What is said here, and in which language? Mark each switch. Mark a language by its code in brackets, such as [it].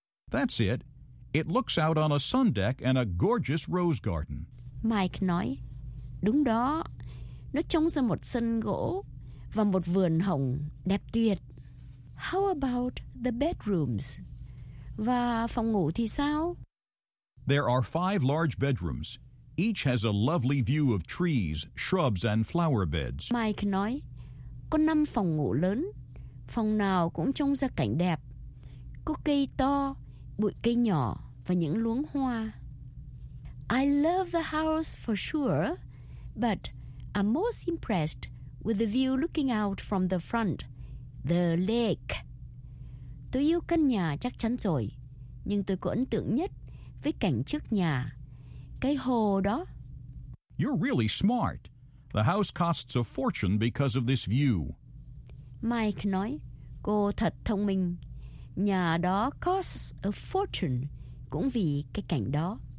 [en] That's it. It looks out on a sun deck and a gorgeous rose garden. [vi] Mike nói, đúng đó, nó trông ra một sân gỗ và một vườn hồng đẹp tuyệt. [en] How about the bedrooms? [vi] Và phòng ngủ thì sao? [en] There are 5 large bedrooms. Each has a lovely view of trees, shrubs and flower beds. [vi] Mike nói, có 5 phòng ngủ lớn, phòng nào cũng trông ra cảnh đẹp. Có cây to, bụi cây nhỏ và những luống hoa. [en] I love the house for sure, but I'm most impressed with the view looking out from the front, the lake. [vi] Tôi yêu căn nhà chắc chắn rồi, nhưng tôi có ấn tượng nhất với cảnh trước nhà, cái hồ đó. [en] You're really smart. The house costs a fortune because of this view. [vi] Mike nói, cô thật thông minh. Nhà đó [en] costs a fortune [vi] cũng vì cái cảnh đó.